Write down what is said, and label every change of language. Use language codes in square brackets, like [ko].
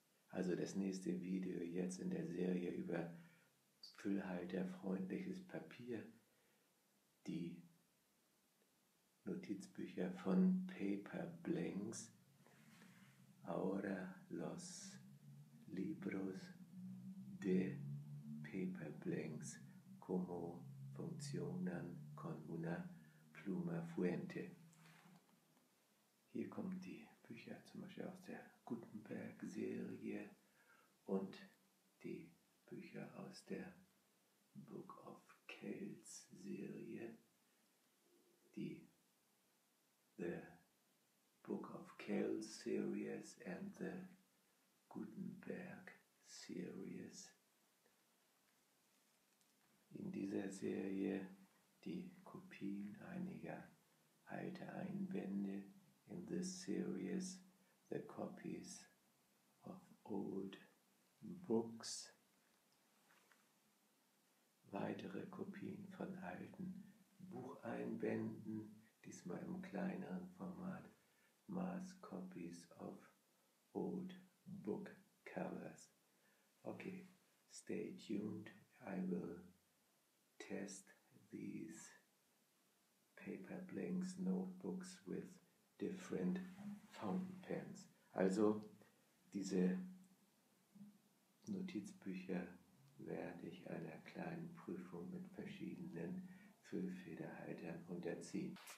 [de] Also das nächste Video jetzt in der Serie über füllhalterfreundliches Papier, die Notizbücher von Paper Blanks. [es] Ahora los libros de Paper Blanks, como funcionan con una pluma fuente. [de] Hier kommen die Bücher zum Beispiel aus der Gutenberg-Serie und die Bücher aus der Book of Kells-Serie, die [en] The Book of Kells Series and the Gutenberg Series. [de] In dieser Serie die Kopien einiger alter Einbände. [en] In this series, the copies of old books. [de] Weitere Kopien von alten Bucheinbänden, diesmal im kleineren Format. [en] Mass copies of old book covers. Okay, stay tuned. I will test these Paper Blanks notebooks with different fountain pens. [de] Also, diese Notizbücher werde ich einer kleinen Prüfung mit verschiedenen Füllfederhaltern unterziehen.